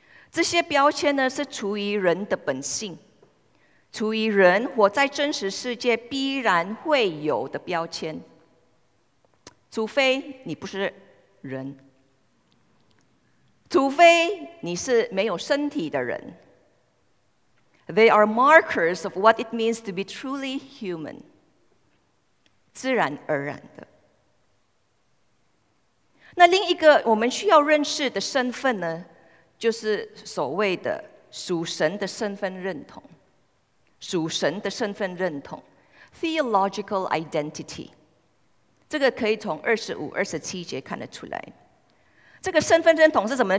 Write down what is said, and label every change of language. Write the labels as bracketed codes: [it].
[zh] 这些标签呢，是出于人的本性，出于人活在真实世界必然会有的标签，除非你不是人，除非你是没有身体的人。 [en] They are markers of what it means to be truly human， [zh] 自然而然的。那另一个我们需要认识的身份呢，就是所谓的属神的身份认同，属神的身份认同 ，theological identity。这个可以从25、27节看得出来。这个身份认同是什么呢？